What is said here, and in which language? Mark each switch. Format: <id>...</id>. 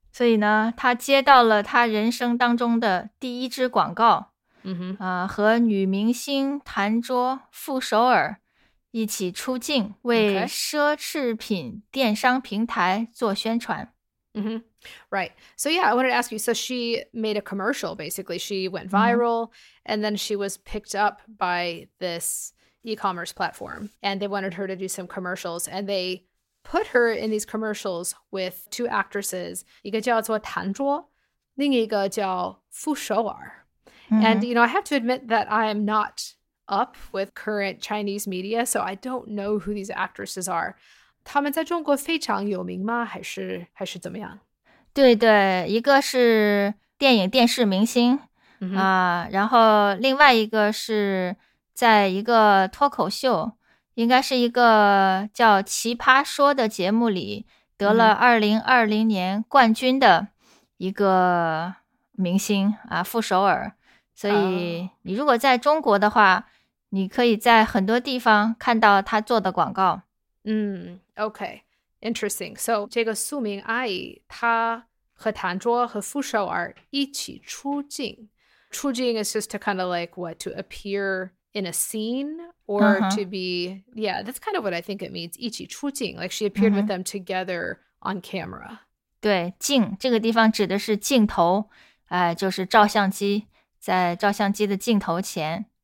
<zh>所以呢她接到了她人生当中的第一支广告和女明星谭卓傅首尔一起出镜为奢侈品电商平台做宣传。</zh> <en>Mm-hmm. Right. So yeah, I wanted to ask you, so she made a commercial, basically. She went viral, and then she was picked up by this e-commerce platform, and they wanted her to do some commercials, and they put her in these commercials with two actresses, 一个叫做谭卓，另一个叫傅首尔。 And, you know, I have to admit that I'm not up with current Chinese media, so I don't know who these actresses are.</en> <zh>他们在中国非常有名吗？还是怎么样？对对，一个是电影电视明星、 mm-hmm. 然后另外一个是在一个脱口秀，应该是一个叫《奇葩说》的节目里得了2020年冠军的一个明星、mm-hmm. 傅首尔。所以你如果在中国的话， 你可以在很多地方看到他做的广告。</zh> <en>Okay. Interesting.</en> <zh>So, 这个苏明阿姨她和谭卓和傅首尔一起出镜。</zh> <en>出镜 is just to kind of like, what, to appear in a scene or、uh-huh. to be, yeah, that's kind of what I think it means, 一起出镜 like she appeared、uh-huh. with them together on camera.</en> <zh>对,镜,这个地方指的是镜头,就是照相机,在照相机的镜头前。</zh>